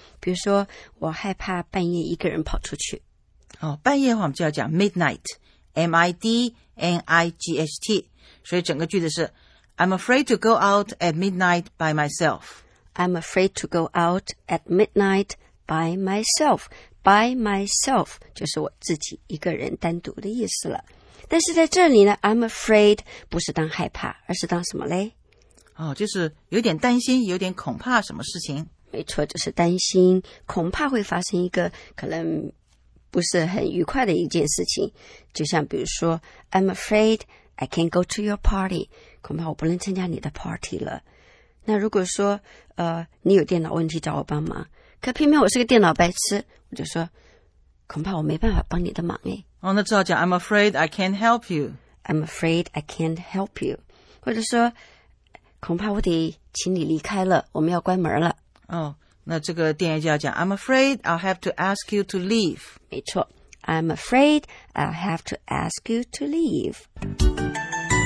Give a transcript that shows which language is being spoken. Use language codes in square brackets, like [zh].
[zh] 比如说我害怕半夜一个人跑出去。哦，半夜的话我们就要讲 midnight, M-I-D-N-I-G-H-T. 所以整个句子是 [en] I'm afraid to go out at midnight by myself. I'm afraid to go out at midnight by myself. By myself [zh] 就是我自己一个人单独的意思了。但是在这里呢 I'm afraid 不是当害怕，而是当什么嘞？哦，就是有点担心，有点恐怕什么事情。没错，就是担心恐怕会发生一个可能不是很愉快的一件事情。就像比如说 [en] I'm afraid I can't go to your party, [zh] 恐怕我不能参加你的 party 了。那如果说你有电脑问题找我帮忙，可偏偏我是个电脑白痴，我就说恐怕我没办法帮你的忙哎。哦，那只好讲 [en] I'm afraid I can't help you. I'm afraid I can't help you. [zh] 或者说恐怕我得请你离开了，我们要关门了。哦，那这个电影就要讲 [en] I'm afraid I'll have to ask you to leave. [zh] 没错 [en] I'm afraid I'll have to ask you to leave.